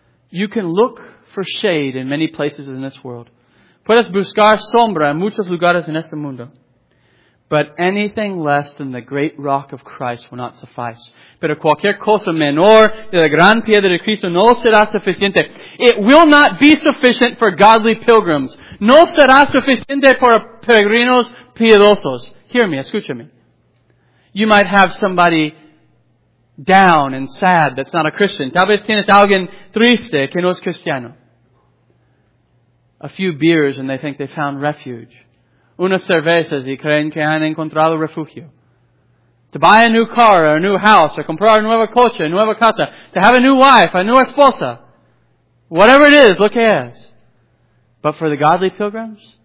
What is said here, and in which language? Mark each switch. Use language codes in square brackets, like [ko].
[en] You can look for shade in many places in this world. [es] Puedes buscar sombra en muchos lugares en este mundo. [en] But anything less than the great rock of Christ will not suffice. [es] Pero cualquier cosa menor de la gran piedra de Cristo no será suficiente. [en] It will not be sufficient for godly pilgrims. [es] No será suficiente para peregrinos piedosos. [en] Hear me, [es] escúchame. [en] You might have somebody down and sad that's not a Christian. [es] Tal vez tienes alguien triste que no es cristiano. [en] A few beers and they think they found refuge. [es] Unas cervezas y creen que han encontrado refugio. [en] To buy a new car or a new house or [es] comprar nueva coche, nueva casa. [en] To have a new wife, a new [es] esposa. [en] Whatever it is, [es] lo que es. [en] But for the godly pilgrims?